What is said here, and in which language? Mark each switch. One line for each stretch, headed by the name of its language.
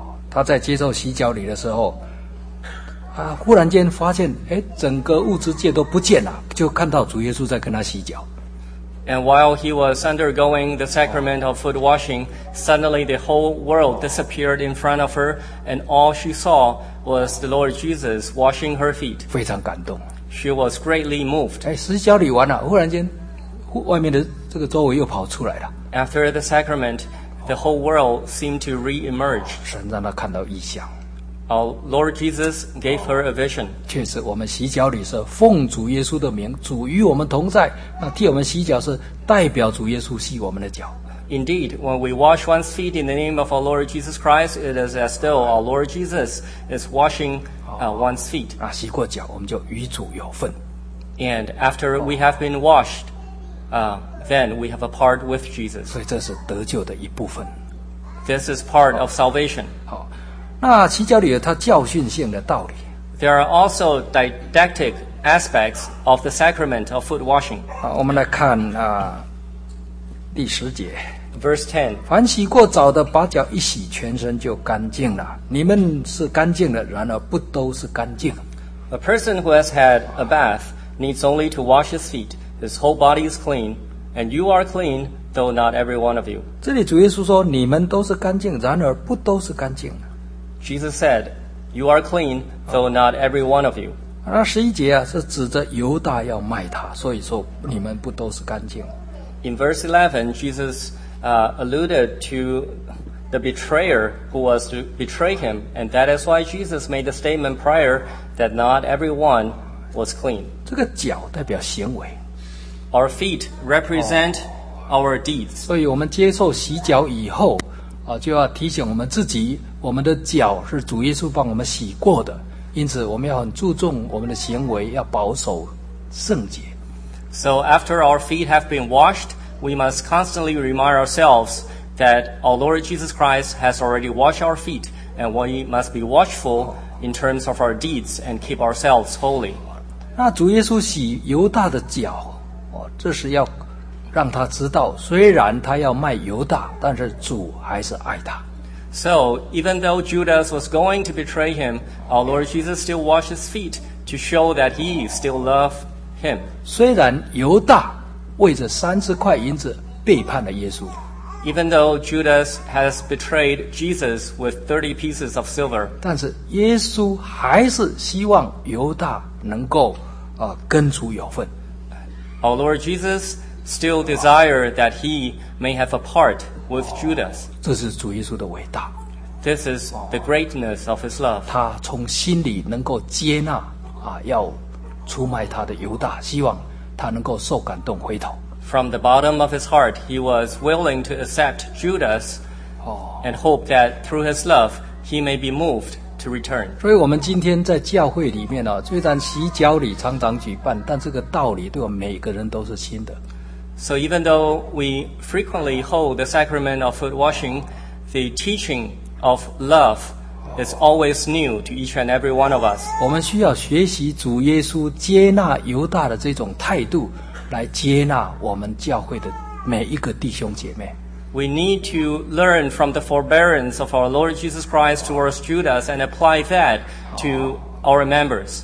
Chinese: 她在接受西教礼的时候，忽然间发现，整个物质界都不见了，就看到主耶稣在跟他洗脚。
English: And while he was undergoing the sacrament of foot washing, suddenly the whole world disappeared in front of her, and all she saw was the Lord Jesus washing her feet.
Chinese: 非常感动。
English: She was greatly moved.
Chinese: 洗脚礼完了，忽然间，外面的这个周围又跑出来了。
English: After the sacrament, the whole world seemed to re-emerge.
Chinese: 神让他看到异象。
English: Our Lord Jesus gave her a vision.
Chinese: 确实，我们洗脚礼是奉主耶稣的名，主与我们同在。那替我们洗脚是代表主耶稣洗我们的脚。
English: Indeed, when we wash one's feet in the name of our Lord Jesus Christ, it is as though our Lord Jesus is washing one's feet.
Chinese: 那洗过脚，我们就与主有份。
English: And after we have been washed, then we have a part with Jesus.
Chinese: 所以这是得救的一部分。
English: This is part of salvation.
Chinese: 好。那洗脚礼有它教训性的道理。
English: There are also didactic aspects of the sacrament of foot washing.
Chinese: 我们来看第十节。
English: Verse 10.
Chinese: 凡洗过澡的，把脚一洗，全身就干净了。你们是干净的，然而不都是干净。
English: A person who has had a bath needs only to wash his feet. His whole body is clean, and you are clean, though not every one of you.
Chinese: 这里主耶稣说，你们都是干净，然而不都是干净。
English: Jesus said, "You are clean, though not every one of you."
Chinese: 那十一节啊，是指着犹大要卖他，所以说你们不都是干净。
English: In verse 11, Jesus alluded to the betrayer who was to betray him, and that is why Jesus made the statement prior that not everyone was clean.
Chinese: 这个脚代表行为。
English: Our feet represent our deeds.
Chinese: 所以我们接受洗脚以后。就要提醒我们自己，我们的脚是主耶稣帮我们洗过的，因此我们要很注重我们的行为，要保守圣洁。
English: So after our feet have been washed, we must constantly remind ourselves that our Lord Jesus Christ has already washed our feet, and we must be watchful in terms of our deeds and keep ourselves holy.
Chinese: 那主耶稣洗犹大的脚，这是要让他知道，虽然他要卖犹大，但是主还是爱他。
English: So even though Judas was going to betray him, our Lord Jesus still washed his feet to show that he still loved him.
Chinese: 虽然犹大为着三十块银子背叛了耶稣。
English: Even though Judas has betrayed Jesus with 30 pieces of silver.
Chinese: 但是耶稣还是希望犹大能够跟主有份。
English: Our Lord Jesus still desire that he may have a part with Judas.
Chinese: 这是主耶稣的伟大。
English: This is the greatness of his love.
Chinese: 他从心里能够接纳要出卖他的犹大，希望他能够受感动回头。
English: From the bottom of his heart, he was willing to accept Judas and hope that through his love, he may be moved to return.
Chinese: 所以我们今天在教会里面虽然洗脚礼常常举办，但这个道理对我们每个人都是新的。
English: So even though we frequently hold the sacrament of foot washing, the teaching of love is always new to each and every one of us.
Chinese: 我们需要学习主耶稣接纳犹大的这种态度，来接纳我们教会的每一个弟兄姐妹。
English: We need to learn from the forbearance of our Lord Jesus Christ towards Judas and apply that to our members.